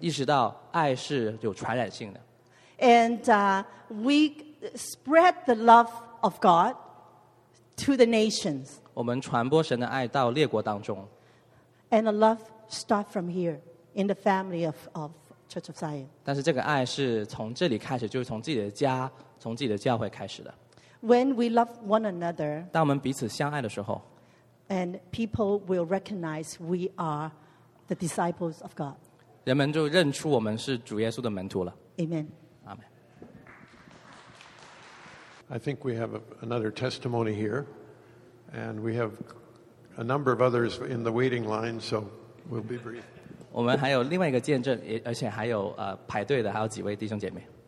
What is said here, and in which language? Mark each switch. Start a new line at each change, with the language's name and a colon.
Chinese: 我非常去鼓励大家，因为意识到爱是有传染性的。
English: And we spread the love of God to the nations.
Chinese: 我们传播神的爱到列国当中。
English: And the love start from here in the family of Church of Zion.
Chinese: 但是这个爱是从这里开始，就是从自己的家，从自己的教会开始的。
English: When we love one another,
Chinese: 当我们彼此相爱的时候,
English: and people will recognize we are the disciples of God.
Chinese: 人们就认出我们是主耶稣的门徒了。
English: Amen. Amen. I think we have another testimony here, and we have a number of others in the waiting line, so we'll be brief.
Chinese: 我们还有另外一个见证，而且还有排队的，还有几位弟兄姐妹。